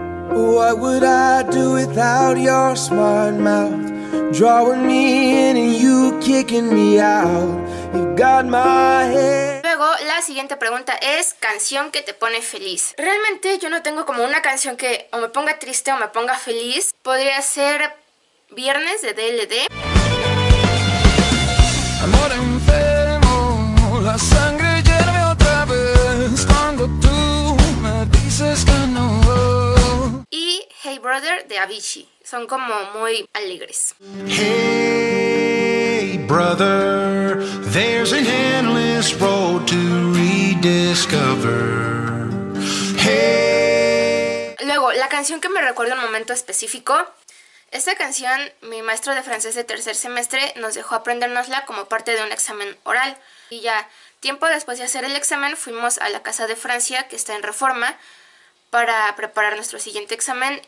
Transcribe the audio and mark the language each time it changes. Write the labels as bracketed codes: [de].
[en] What would I do without your smart mouth? Drawing me in and you kicking me out. You got my head. [es] Luego, la siguiente pregunta es canción que te pone feliz. Realmente yo no tengo como una canción que o me ponga triste o me ponga feliz. Podría ser Viernes de DLD. Amor enfermo, la sangre hierve otra vez cuando tú me dices que no. Y Hey Brother de Avicii. Son como muy alegres. [en] Hey brother, there's an endless road to rediscover. Hey. [es] Luego, la canción que me recuerda un momento específico. Esta canción, mi maestro de francés de tercer semestre nos dejó aprendérnosla como parte de un examen oral. Y ya, tiempo después de hacer el examen, fuimos a la Casa de Francia, que está en Reforma, para preparar nuestro siguiente examen.